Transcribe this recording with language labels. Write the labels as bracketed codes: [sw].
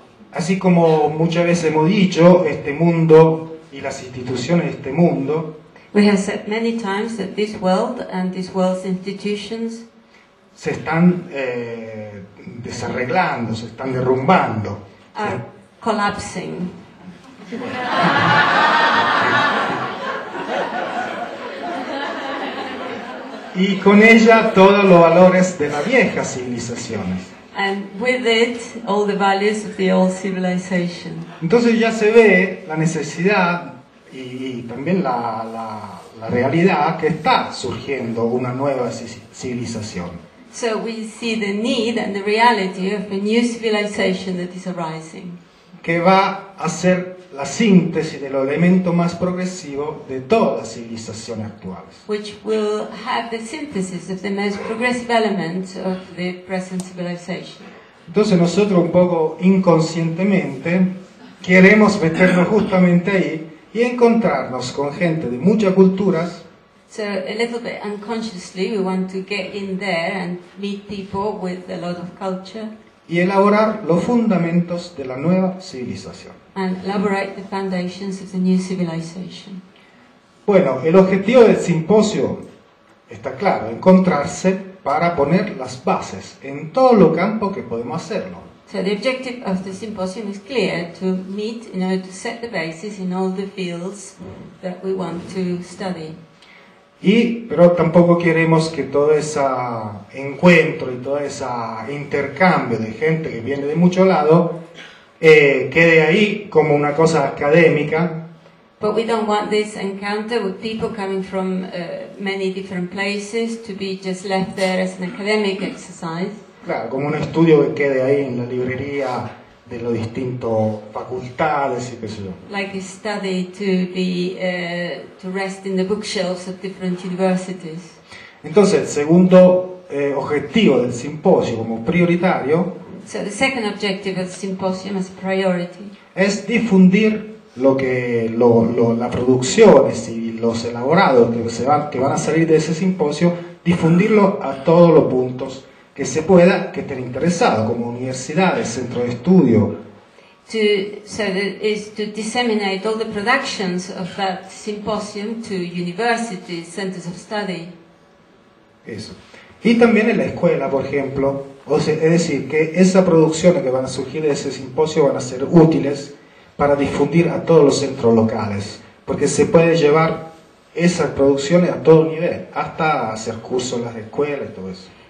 [es] Así como muchas veces hemos dicho, este mundo y las instituciones de este mundo. [en] We have said many times that this world and this world's institutions. [es] Se están desarreglando, se están derrumbando. [en] Are collapsing. [es] Y con ella todos los valores de las viejas civilizaciones. [en] And with it, all the values of the old civilization. [es] Entonces ya se ve la necesidad y también la realidad que está surgiendo una nueva civilización. [en] So we see the need and the reality of a new civilization that is arising. [es] Que va a ser la síntesis del elemento más progresivo de todas las civilizaciones actuales. [en] Which will have the synthesis of the most progressive elements of the present civilization. [es] Entonces nosotros un poco inconscientemente queremos meternos justamente ahí y encontrarnos con gente de muchas culturas. [en] So a little bit unconsciously we want to get in there and meet people with a lot of culture. [es] Y elaborar los fundamentos de la nueva civilización. [en] And elaborate the foundations of the new civilization. [es] Bueno, el objetivo del simposio está claro, encontrarse para poner las bases en todo lo campo que podemos hacerlo. [en] So the objective of the symposium is clear, to meet in order to set the basis in all the fields that we want to study. [es] Pero tampoco queremos que todo ese encuentro y todo ese intercambio de gente que viene de muchos lados quede ahí como una cosa académica. [en] But we don't want this encounter with people coming from many different places to be just left there as an academic exercise. [es] Claro, como un estudio que quede ahí en la librería de los distintos facultades y qué sé yo. [en] Like a study to be to rest in the bookshelves of different universities. [es] Entonces, el segundo objetivo del simposio como prioritario. [en] So the second objective of the symposium as a priority. [es] Es difundir lo que las producciones y los elaborados que van a salir de ese simposio, difundirlo a todos los puntos que se pueda, que estén interesados, como universidades, centros de estudio. [en] So that is to disseminate all the productions of that symposium to universities, centers of study. [es] Eso. Y también en la escuela, por ejemplo, o sea, es decir, que esas producciones que van a surgir de ese simposio van a ser útiles para difundir a todos los centros locales, porque se puede llevar esas producciones a todo nivel, hasta hacer cursos en las escuelas y todo eso.